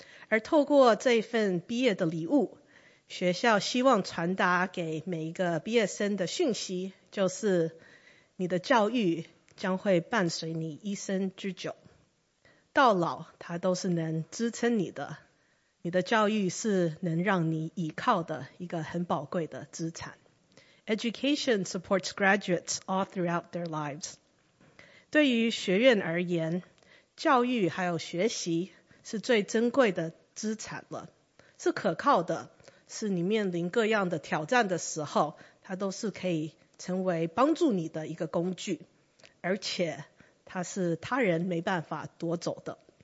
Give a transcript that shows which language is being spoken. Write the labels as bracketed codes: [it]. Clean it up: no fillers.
[zh] 而透过这份毕业的礼物，学校希望传达给每一个毕业生的讯息，就是你的教育将会伴随你一生之久，到老它都是能支撑你的，你的教育是能让你依靠的一个很宝贵的资产。 [en] Education supports graduates all throughout their lives。 [zh] 对于学院而言，教育还有学习是最珍贵的资产了，是可靠的，是你面临各样的挑战的时候，它都是可以成为帮助你的一个工具，而且它是他人没办法夺走的。